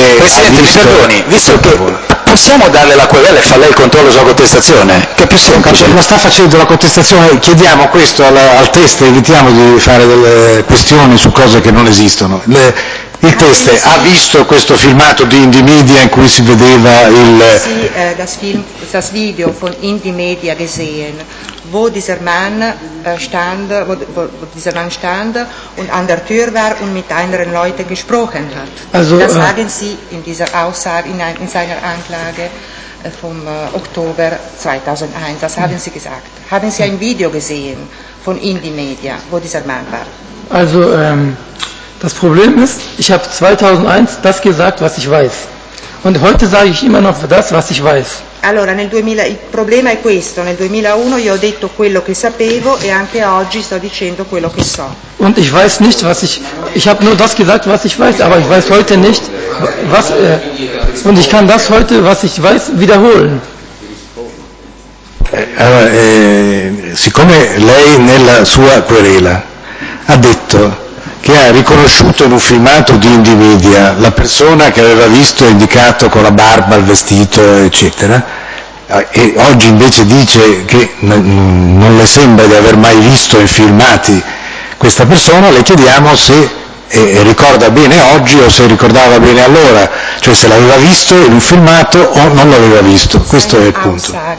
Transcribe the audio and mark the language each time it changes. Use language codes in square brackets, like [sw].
[it] Presidente, mi perdoni, visto che possiamo darle la querela e fa lei il controllo sulla contestazione? Che è più semplice. Ma sta facendo la contestazione, chiediamo questo al test, evitiamo di fare delle questioni su cose che non esistono. Il test ha visto questo filmato di Indymedia in cui si vedeva il... [de] Sì, das video von Indymedia gesehen, wo dieser Mann stand und an der Tür war und mit anderen Leuten gesprochen hat. Also, das sagen Sie in dieser Aussage, in seiner Anklage vom Oktober 2001, das haben Sie gesagt. Haben Sie ein Video gesehen von Indymedia, wo dieser Mann war? Also, das Problem ist, ich habe 2001 das gesagt, was ich weiß. Und heute sage ich immer noch das, was ich weiß. [it] Allora, nel 2000, il problema è questo. Nel 2001 io ho detto quello che sapevo e anche oggi sto dicendo quello che so. [de] Und ich weiß nicht, was ich habe nur das gesagt, was ich weiß, aber ich weiß heute nicht, was... und ich kann das heute, was ich weiß, wiederholen. [it] Allora, siccome lei nella sua querela ha detto che ha riconosciuto in un filmato di Indymedia la persona che aveva visto indicato con la barba, il vestito, eccetera, e oggi invece dice che non le sembra di aver mai visto in filmati questa persona, le chiediamo se ricorda bene oggi o se ricordava bene allora, cioè se l'aveva visto in un filmato o non l'aveva visto, questo è il punto.